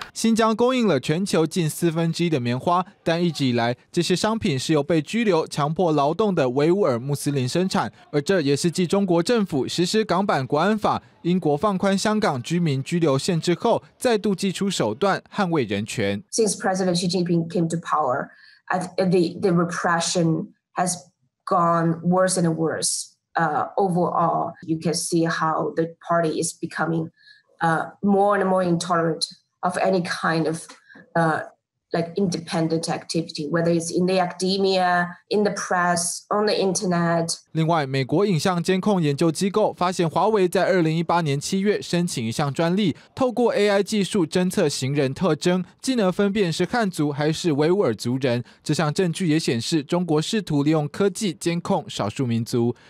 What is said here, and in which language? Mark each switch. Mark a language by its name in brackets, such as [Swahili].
[Chinese] 新疆供应了全球近1/4的棉花，但一直以来，这些商品是由被拘留、强迫劳动的维吾尔穆斯林生产，而这也是继中国政府实施港版国安法、英国放宽香港居民拘留限制后，再度祭出手段捍卫人权。 [English] Since President Xi Jinping came to power, the repression has gone worse and worse. Overall, you can see how the party is becoming more and more intolerant of any kind of independent activity, whether it's in the academia, in the press, on the internet. [Chinese] 另外，美国影像监控研究机构发现，华为在2018年7月申请一项专利，透过 AI 技术侦测行人特征，既能分辨是汉族还是维吾尔族人。这项证据也显示，中国试图利用科技监控少数民族。